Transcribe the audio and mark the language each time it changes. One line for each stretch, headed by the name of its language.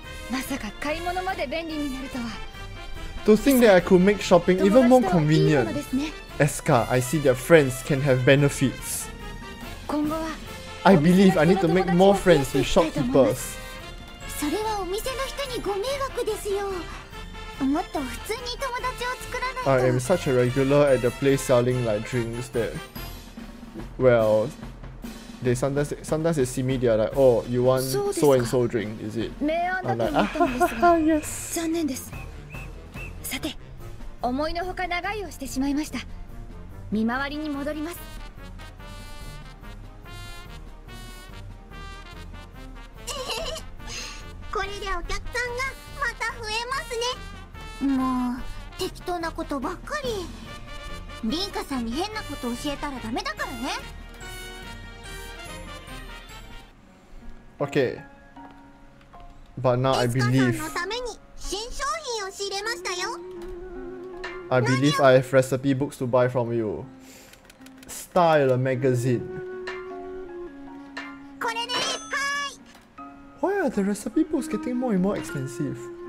Japanese: まさか買い物まで便利になるとは。
English: To think that I could make shopping even more convenient. Escha, I see that friends can have benefits. 今後は、 I believe I need to make more friends with shopkeepers.
Japanese: それはお店の人にご迷惑ですよ。もっと普通に友達を作らないと。
English: I am such a regular at the place selling like drinks that, well, they sometimes they see me, they are like, oh, you want so and so drink, is it? I'm like, ah, ha, ha, ha, yes.
Japanese: 残念です。さて、思いのほか長居をしてしまいました。見回りに戻ります。これでお客さんがまた増えますね。もう適当なことばっかり。リンカさんに変なこと教えたらダメだからね。
English: OK But now I believe
Japanese: のために新商品を仕入れましたよ。
English: I believe I have recipe books to buy from you. Style magazine.
Japanese: これで、はい。
English: Why are the recipe books getting more and more expensive?